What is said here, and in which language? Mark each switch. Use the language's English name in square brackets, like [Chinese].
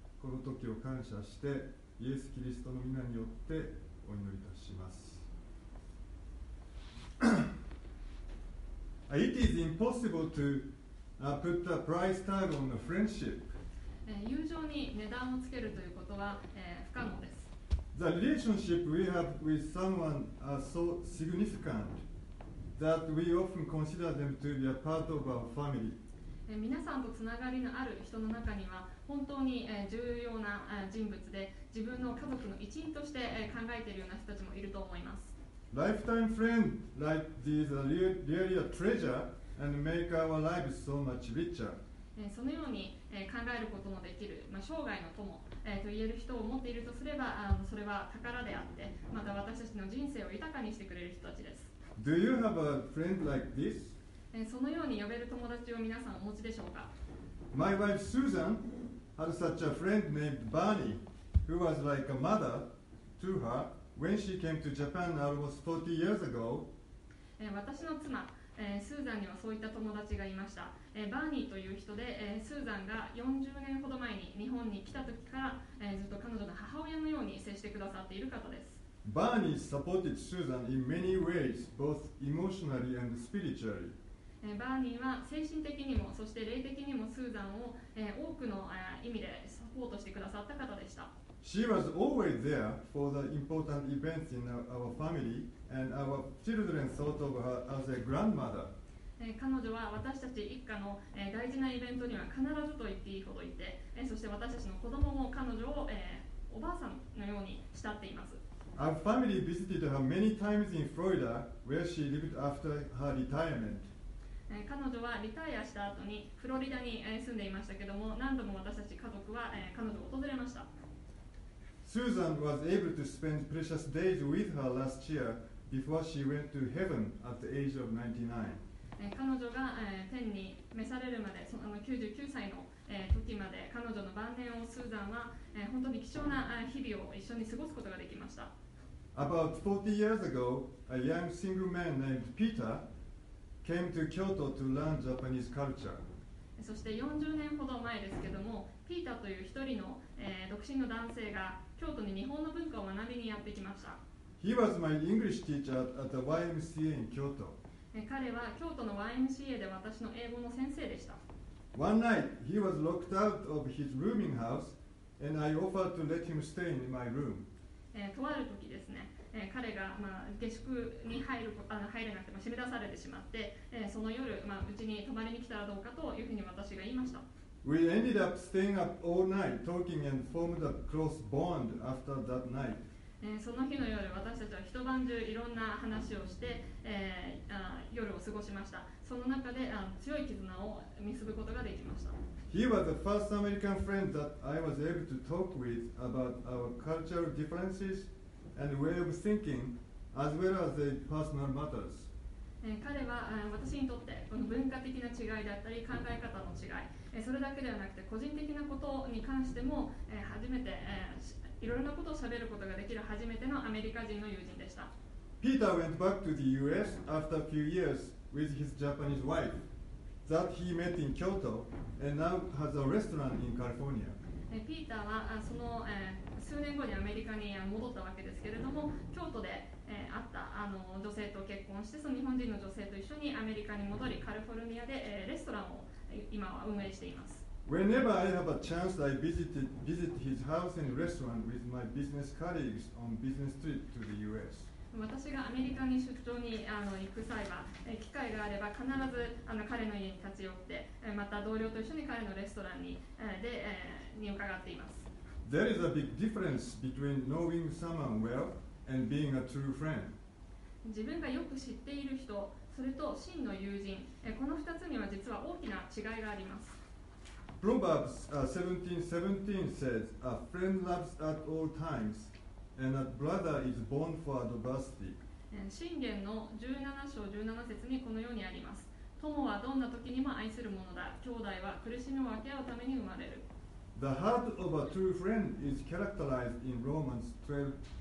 [Japanese] この時を感謝してイエス・キリストの御名によってお祈りいたします。 [English] It is impossible to put a price tag on a friendship. [Japanese] 友情に値段をつけるということは、不可能です。 [English] The relationship we have with someone are so significant that we often consider them to be a part of our family. [Japanese] 皆さんとつながりのある人の中には本当に重要な人物で自分の家族の一員として考えているような人たちもいると思います。 [English] Lifetime friend like these are really a treasure and make our lives so much richer. [Japanese] そのように考えることのできる、生涯の友と言える人を持っているとすれば、それは宝であって、また私たちの人生を豊かにしてくれる人たちです。 [English] Do you have a friend like this? [Japanese] そのように呼べる友達を皆さんお持ちでしょうか。 [English] My wife SusanHad such a friend named Barney, who was like a mother to her when she came to Japan almost 40 years ago. [Japanese] 私の妻、スーザンにはそういった友達がいました。バーニーという人で、スーザンが40年ほど前に日本に来た時から、ずっと彼女の母親のように接してくださっている方です。 [English] バーニー supported Susan in many ways, both emotionally and spiritually. [Japanese] バーニーは精神的にもそして霊的にもスーザンを多くの意味でサポートしてくださった方でした。 [English] She was always there for the important events in our family, and our children thought of her as a grandmother. [Japanese] 彼女は私たち一家の大事なイベントには必ずと言っていいほどいて、そして私たちの子供も彼女をおばあさんのように慕っています。 [English] Our family visited her many times in Florida, where she lived after her retirement. [Japanese] 彼女はリタイアした後にフロリダに住んでいましたけども、何度も私たち家族は彼女を訪れました。 [English] Susan was able to spend precious days with her last year before she went to heaven at the age of 99. [Japanese] 彼女が天に召されるまで、その99歳の時まで、彼女の晩年をスーザンは本当に貴重な日々を一緒に過ごすことができました。 [English] About 40 years ago, a young single man named Peter. Came to Kyoto to learn Japanese culture. [Japanese] そして40年ほど前ですけども、ピーターという一人の、独身の男性が京都に日本の文化を学びにやってきました。 [English] He was my English teacher at the YMCA in Kyoto. [Japanese] 彼は京都の YMCA で私の英語の先生でした。 [English] One night, he was locked out of his rooming house, and I offered to let him stay in my room. [Japanese] とある時ですね。彼が、下宿に入れなくて、閉め出されてしまって、その夜、うちに泊まりに来たらどうかというふうに私が言いました。 [English] We ended up staying up all night talking and formed a close bond after that night. [Japanese] その日の夜、私たちは一晩中いろんな話をして、夜を過ごしました。その中で、強い絆を結ぶことができました。 [English] He was the first American friend that I was able to talk with about our cultural differences. And way of thinking, as well as the personal matters. [Japanese] 彼は私にとってこの文化的な違いだったり考え方の違い、それだけではなくて個人的なことに関しても初めていろいろなことを喋ることができる初めてのアメリカ人の友人でした。 [English] Peter went back to the U.S. after a few years with his Japanese wife that he met in Kyoto, and now has a restaurant in California. [Japanese] ピーターはその数年後にアメリカに戻ったわけですけれども、京都で会った女性と結婚して、その日本人の女性と一緒にアメリカに戻り、カリフォルニアでレストランを今は運営しています。 [English] Whenever I have a chance, I visit his house and restaurant with my business colleagues on business trip to the U.S. [Japanese] 私がアメリカに出張に行く際は、機会があれば必ず彼の家に立ち寄って、また同僚と一緒に彼のレストランに、に伺っています。 [English] There is a big difference between knowing someone well and being a true friend. [Japanese] 自分がよく知っている人、それと真の友人、この2つには実は大きな違いがあります。 [English] Proverbs 17:17 says, A friend loves at all times, and a brother is born for adversity. [Japanese] 箴言の17章17節にこのようにあります。友はどんな時にも愛するものだ。兄弟は苦しみを分け合うために生まれる。 [English] The heart of a true friend is characterized in Romans 12:15.